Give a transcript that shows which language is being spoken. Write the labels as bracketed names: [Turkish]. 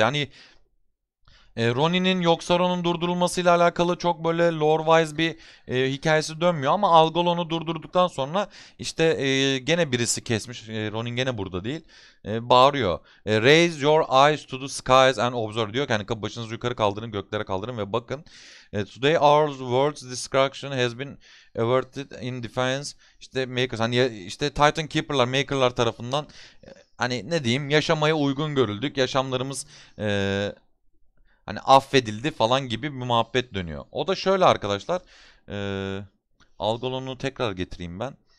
[Turkish] Yani Ronin'in Yoxaron'un durdurulmasıyla alakalı çok böyle lore wise bir hikayesi dönmüyor ama Algolon'u durdurduktan sonra işte gene birisi kesmiş. Ronin gene burada değil. Bağırıyor. [English] Raise your eyes to the skies and observe [Turkish] diyor ki hani başınızı yukarı kaldırın, göklere kaldırın ve bakın. [English] Today our world's destruction has been averted in defense. [Turkish] İşte Makers, hani işte Titan Keeper'lar, Maker'lar tarafından hani ne diyeyim, yaşamaya uygun görüldük. Yaşamlarımız hani affedildi falan gibi bir muhabbet dönüyor. O da şöyle arkadaşlar. Algolon'u tekrar getireyim ben.